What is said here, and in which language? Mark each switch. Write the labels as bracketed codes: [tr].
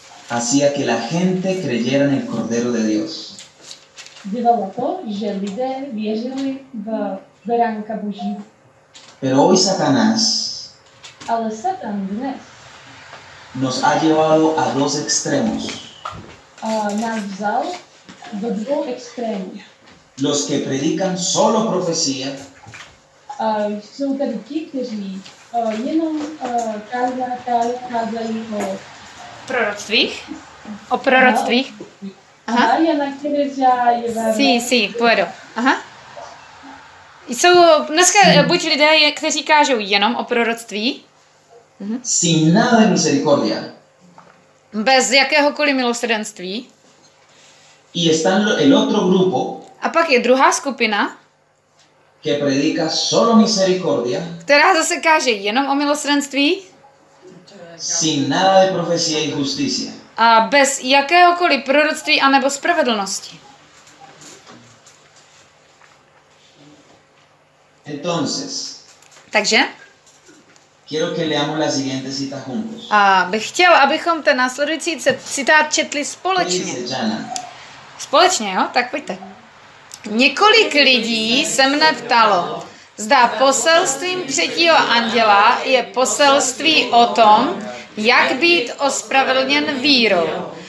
[es] hacía que la gente creyera en el Cordero de Dios. [cs] To, že lidé věřili v Beránka Boží. [es] Pero hoy Satanás [cs] ale Satan dnes [es] nos ha llevado a dos extremos. [cs] Nás vzal do dvou extrémů. [es] Los que predican solo profecía. [cs] Jsou tady ti, kteří jenom kázali o proroctvích. O proroctvích. Mariana Kereza je vám. [es] Sí, sí, [cs] pojedu. Aha. Jsou dneska buď lidé, kteří kážou jenom o proroctví. [es] Sin nada de misericordia. [cs] Bez jakéhokoliv milosrdenství. [es] Y están el otro grupo. [cs] A pak je druhá skupina. [es] Que predica solo misericordia, [cs] která zase káže jenom o milosrdenství, [es] sin nada de profecía y justicia. [cs] A bez jakéhokoliv proroctví anebo spravedlnosti. [es] Entonces, [cs] takže [es] quiero que leamos la siguiente cita juntos. [cs] A bych chtěl, abychom ten následující citát četli společně. Společně, jo? Tak pojďte. Několik lidí se mne ptalo, zda poselstvím třetího anděla je poselství o tom, jak být ospravedlněn vírou.